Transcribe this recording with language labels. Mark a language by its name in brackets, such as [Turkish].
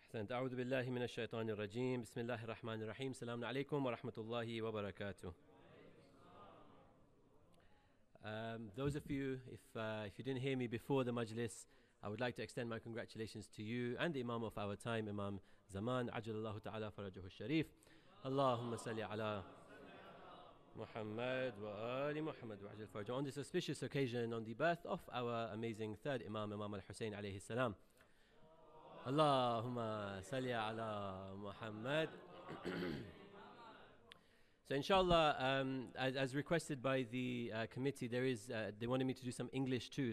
[Arabic] أعوذ بالله من الشيطان الرجيم بسم الله الرحمن الرحيم السلام عليكم ورحمة الله وبركاته. [English] Those of you, if you didn't hear me before the majlis, I would like to extend my congratulations to you and the Imam of our time, Imam Zaman, [Arabic] عجل الله تعالى فرجه الشريف. اللهم صل على محمد وآل محمد وعجل فرجه. [English] On this auspicious occasion, on the birth of our amazing third Imam, Imam Al-Hussein [Arabic] عليه السلام. Allahumma salli ala Muhammad. [English] So inshallah, as requested by the committee, they wanted me to do some English too.